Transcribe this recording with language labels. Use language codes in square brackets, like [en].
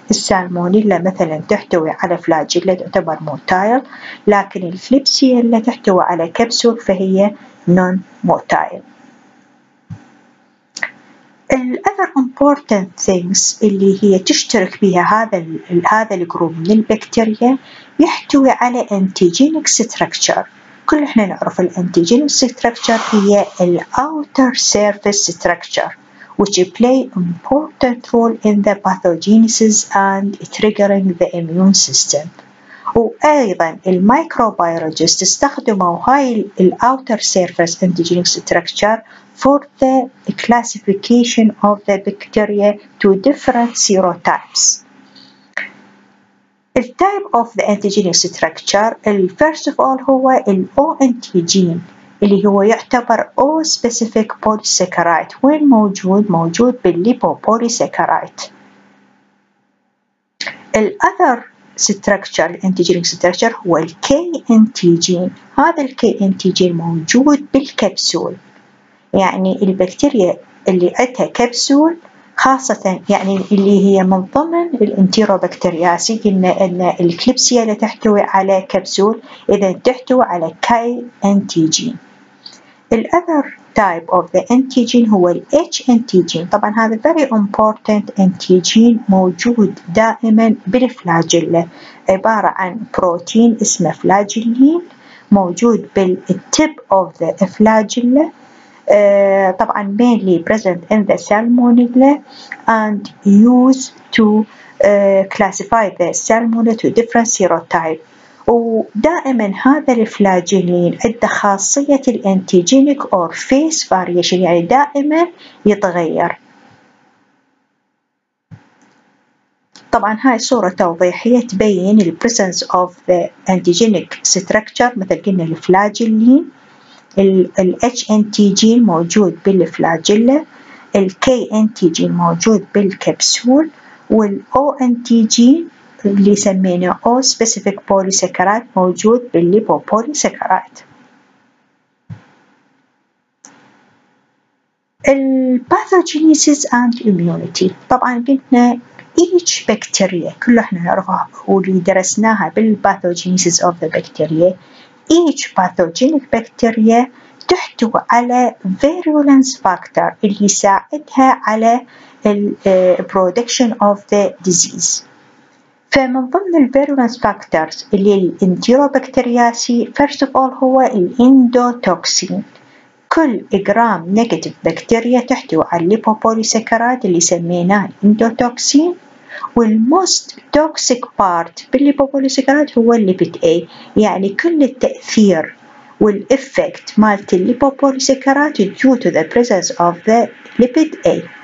[ar] السالمونيلا مثلا تحتوي على فلاجيلا تعتبر موتايل، لكن الكليبسيلا تحتوي على كبسول فهي نون موتايل. الأذر important things اللي هي تشترك بها هذا الجروب من البكتيريا يحتوي على antigenic structure. كل احنا نعرف [en] antigenic structure هي outer surface structure which play important role in the pathogenesis and triggering the immune system. [ar] وأيضا الميكروبيولوجيست استخدموا هاي [en] الأوتر surface antigenic structure for the classification of the bacteria to different serotypes. The type of the antigenic structure, first of all [ar] هو ال [en] O antigen [ar] اللي هو يعتبر [en] O specific polysaccharide. [ar] وين موجود؟ موجود بالليبوبوليسكرايت. [en] ال other structure, antigenic structure هو ال K antigen. [ar] هذا ال [en] K antigen [ar] موجود بالكبسول. يعني البكتيريا اللي عندها كبسول خاصة يعني اللي هي من ضمن الانتيروبكترياسي إن الكليبسيا اللي تحتوي على كبسول إذا تحتوي على كاي انتيجين. الأذر [en] type of the antigen هو ال H antigen. [ar] طبعا هذا [en] very important antigen [ar] موجود دائما بالفلاجيلا، عبارة عن بروتين اسمه فلاجيلين موجود بال [en] tip of the flagella. [ar] طبعا [en] mainly present in the salmonella and used to classify the salmonella to different serotype. [ar] ودائما هذا الفلاجيلين عند خاصية الانتيجينيك [en] or phase variation [ar] يعني دائما يتغير. طبعا هاي صورة توضيحية تبين [en] the presence of the antigenic structure [ar] مثل قلنا الفلاجيلين. ال HNTG موجود بالفلاجيلا، ال KNTG موجود بالكبسول، وال ONTG اللي سميناه [en] O specific polysaccharide [ar] موجود بالليبوبوليسكرايت. ال [en] pathogenesis and immunity، [ar] طبعا قلنا [en] each bacteria, [ar] كل احنا نعرفها واللي درسناها بالباثوجينيسيس [en] of the bacteria, each pathogenic bacteria [ar] تحتوي على [en] virulence factor [ar] اللي يساعدها على [en] production of the disease. [ar] فمن ضمن الفيرولنس فاكتورز اللي الانتيروبكترياسي first of all هو الاندوتوكسين. كل جرام نيجاتيف بكتيريا تحتوي على الليبوبوليسكراد اللي سميناه الاندوتوكسين, والموست توكسيك بارت بالليبوبوليسكراد هو الليبيد اي, يعني كل التأثير والإفكت مالت الليبوبوليسكراد [en] due to the presence of the lipid A.